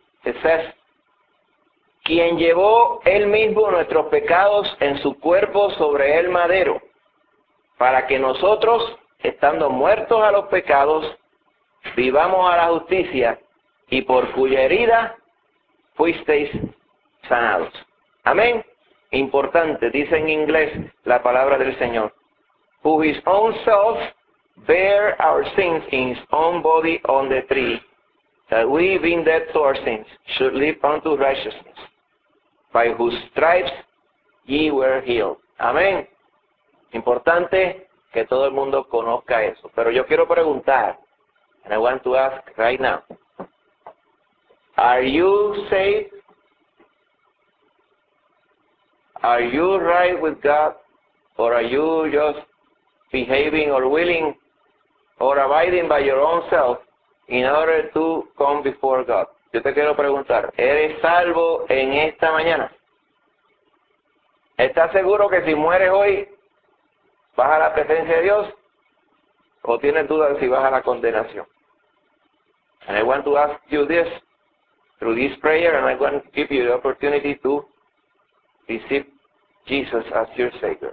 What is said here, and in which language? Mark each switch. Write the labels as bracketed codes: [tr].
[en] It says, [es] quien llevó él mismo nuestros pecados en su cuerpo sobre el madero, para que nosotros, estando muertos a los pecados, vivamos a la justicia, y por cuya herida fuisteis sanados. Amén. Importante, dice en inglés la palabra del Señor. [en] Who his own self bear our sins in his own body on the tree, that we, being dead to our sins, should live unto righteousness, by whose stripes ye were healed. Amén. [es] Importante que todo el mundo conozca eso. Pero yo quiero preguntar, [en] and I want to ask right now, are you saved? Are you right with God? Or are you just behaving or willing or abiding by your own self in order to come before God? [es] Yo te quiero preguntar, ¿eres salvo en esta mañana? ¿Estás seguro que si mueres hoy vas a la presencia de Dios? ¿O tienes dudas si vas a la condenación? [en] And I want to ask you this through this prayer, and I want to give you the opportunity to receive Jesus as your Savior.